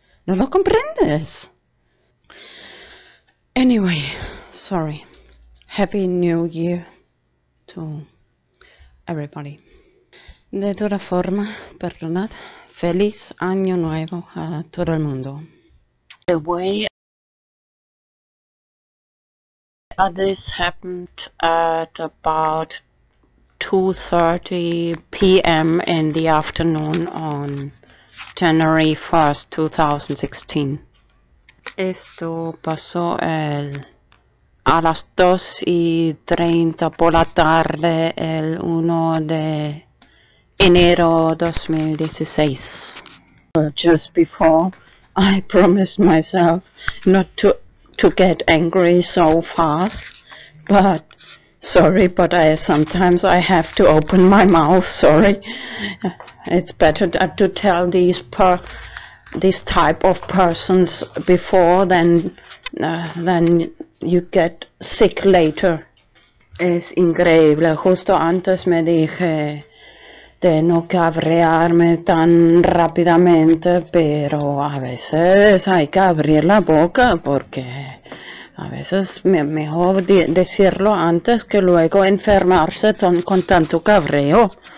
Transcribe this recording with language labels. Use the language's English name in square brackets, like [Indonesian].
[Spanish] ¿No lo comprendes? [English] Anyway, sorry. Happy New Year to everybody. [Spanish] De toda forma, perdonad, feliz año nuevo a todo el mundo. [English] The way this happened at about 2:30 p.m. in the afternoon on January 1st, 2016. [Spanish] Esto pasó a las 2:30 por la tarde el 1 de enero 2016. [English] Just before I promised myself not to get angry so fast, but sorry, but I sometimes have to open my mouth, sorry. It's better to tell these type of persons before than you get sick later. [Spanish] Es increíble. Justo antes me dije de no cabrearme tan rápidamente, pero a veces hay que abrir la boca porque a veces mejor decirlo antes que luego enfermarse con tanto cabreo.